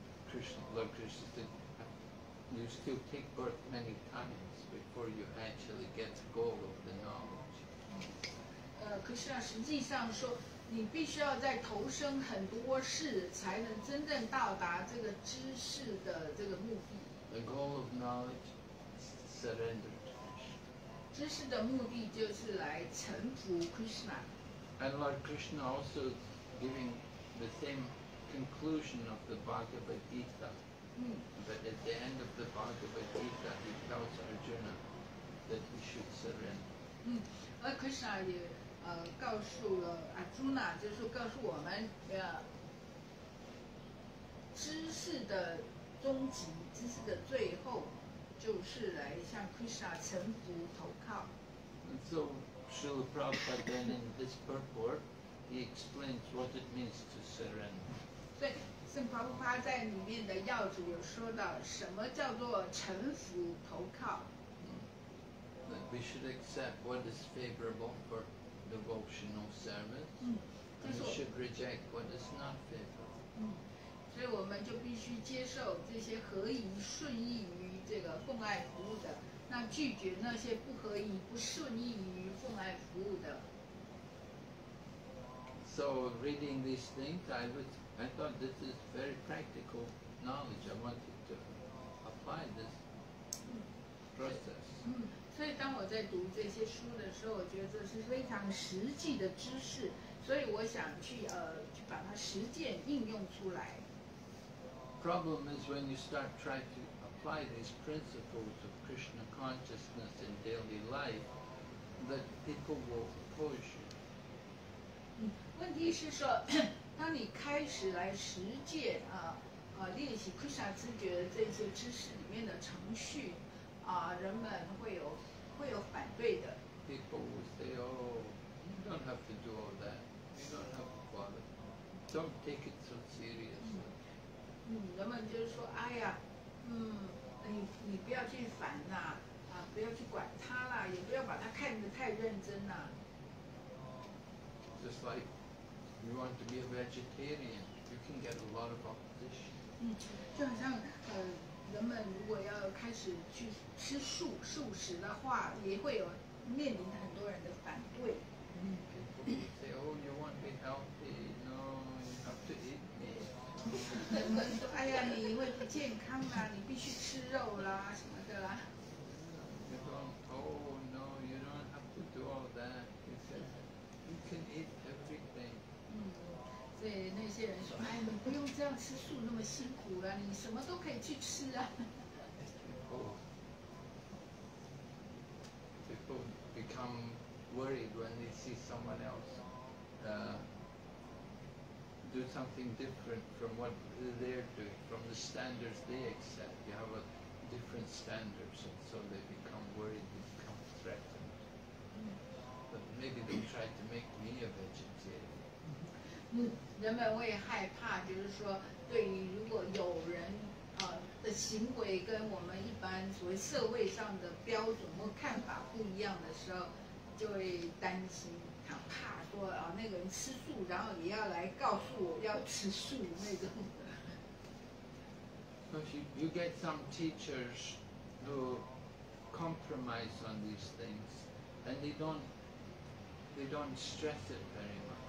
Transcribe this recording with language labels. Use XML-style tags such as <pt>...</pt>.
<en>Lord Krishna said, you still take birth many times before you actually get the goal of the knowledge.</en> <zh>Krishna 实际上说，你必须要再投生很多世，才能真正到达这个知识的这个目的。</zh> <en>The goal of knowledge is to surrender to Krishna.</en> <zh>知识的目的就是来臣服 Krishna。</zh> <en>And Lord Krishna also giving the same conclusion of the Bhagavad Gita. But at the end of the Bhagavad Gita, he tells Arjuna that he should surrender.</en> <zh>Krishna 也告诉了 Arjuna， 就是告诉我们知识的终极，知识的最后，就是来向 Krishna 臣服投靠。</zh> <en>And so Srila Prabhupada then in this purport, he explains what it means to surrender.</en> <zh>对。圣帕布帕在里面的要旨有说到什么叫做臣服投靠。</zh> <en>That we should accept what is favorable for devotional service. And we should reject what is not favorable.</en> <zh>所以我们就必须接受这些合宜顺意于这个奉爱服务的，那拒绝那些不合宜不顺意于奉爱服务的。</zh> <en>So reading these things, I thought this is very practical knowledge. I wanted to apply this process.</en> <zh>所以当我在读这些书的时候，我觉得这是非常实际的知识，所以我想去把它实践应用出来。</zh> <en>Problem is when you start trying to apply these principles of Krishna consciousness in daily life, that people will oppose you.</en> <zh>问题是说。当你开始来实践练习 Krishna 知觉的这些知识里面的程序人们会有反对的。</zh> <en>People will say, oh, you don't have to do all that. You don't have to bother. Don't take it so seriously.</en> <zh>人们就是说，哎呀，你不要去烦啦，不要去管他啦，也不要把他看得太认真啦。</zh> <en>Just like. You want to be a vegetarian, you can get a lot of opposition.</en> <zh>就好像人们如果要开始去吃素食的话，也会有面临很多人的反对。</zh> <en>People say, oh, you want to be healthy? No, you have to eat meat.</en> <zh>人们说，哎呀，你会不健康啦，你必须吃肉啦，什么的啦。</zh> <en>You don't, oh, no, you don't have to do all that. You said, you can eat everything.</en> <zh>所以那些人说，哎，你不用这样吃素那么辛苦了，你什么都可以去吃啊。</zh> <en>People become worried when they see someone else do something different from what they're doing, from the standards they accept. You have a different standards, and so they become worried, they become threatened. But maybe they try to make me a vegetarian.</en> <zh>人们会害怕，就是说，对于如果有人的行为跟我们一般所谓社会上的标准或看法不一样的时候，就会担心，很怕说啊，那个人吃素，然后也要来告诉我要吃素那种的。</zh> <en>So you get some teachers who compromise on these things, and they don't stress it very much.</en>